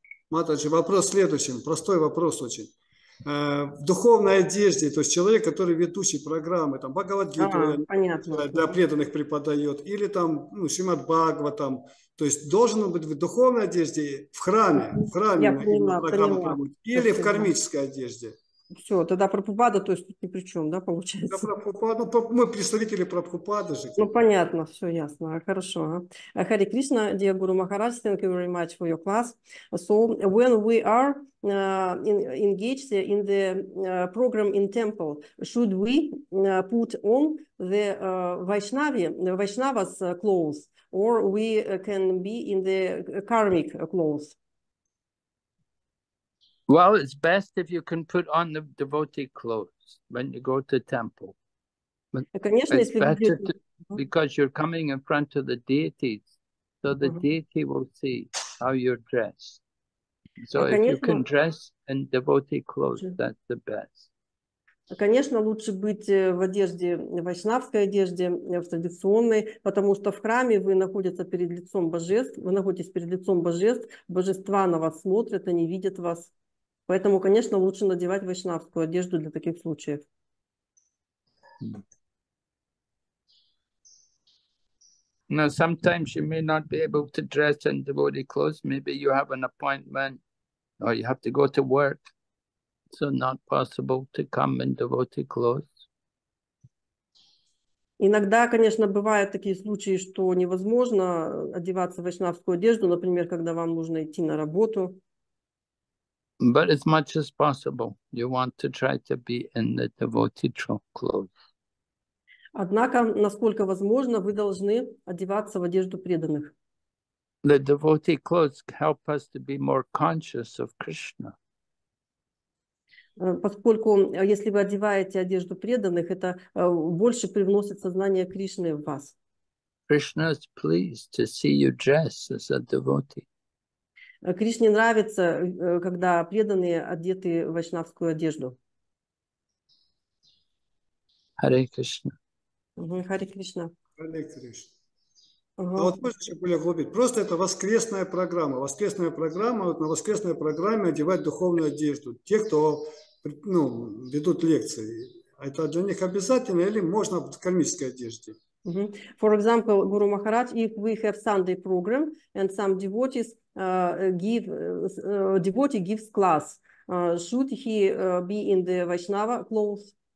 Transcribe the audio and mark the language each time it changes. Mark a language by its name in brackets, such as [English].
[Russian] Матаджи, вопрос следующий, простой вопрос очень. В духовной одежде, то есть человек, который ведущий программы, там, Бхагавад-гиту, для преданных преподает, или там, ну, Шримад Бхагава, там, то есть должен он быть в духовной одежде, в храме, я поняла, программу проводит, или в кармической одежде. Все, тогда Прабхупада, то есть тут ни при чем, да, получается? Да, Прабхупада, ну, мы представители Прабхупады же. Ну, понятно, все ясно, хорошо. [English] Хари Кришна, dear Guru Maharaj, thank you very much for your class. So, when we are engaged in the program in temple, should we put on the Vaishnava's clothes, or we can be in the karmic clothes? Well, it's best if you can put on the devotee clothes when you go to temple. [Russian] Конечно, [English] it's better to, because you're coming in front of the deities, so the deity will see how you're dressed. So if you can dress in devotee clothes, that's the best. [Russian] Конечно, лучше быть в одежде, в вайшнавской одежде, в традиционной, потому что в храме вы находитесь перед лицом божеств, вы находитесь перед лицом божеств, божества на вас смотрят, они видят вас. Поэтому, конечно, лучше надевать вайшнавскую одежду для таких случаев. [English] Now, sometimes you may not be able to dress in devotee clothes. Maybe you have an appointment, or you have to go to work, so not possible to come in devotee clothes. [Russian] Иногда, конечно, бывают такие случаи, что невозможно одеваться в вайшнавскую одежду, например, когда вам нужно идти на работу. [English] But as much as possible, you want to try to be in the devotee clothes. [Russian] Однако, насколько возможно, вы должны одеваться в одежду преданных. [English] The devotee clothes help us to be more conscious of Krishna. [Russian] Поскольку если вы одеваете одежду преданных, это больше привносит сознание Кришны в вас. [English] Krishna is pleased to see you dressed as a devotee. [Russian] Кришне нравится, когда преданные одеты в вайшнавскую одежду. Харе Кришна. Харе Кришна. Харе Кришна. А вот можно еще более глубить? Просто это воскресная программа. Воскресная программа, вот на воскресной программе одевать духовную одежду. Те, кто ну, ведут лекции, это для них обязательно или можно в кармической одежде? [English] For example, Guru Maharaj, if we have Sunday program and some devotees give class, should he be in the Vaishnava clothes?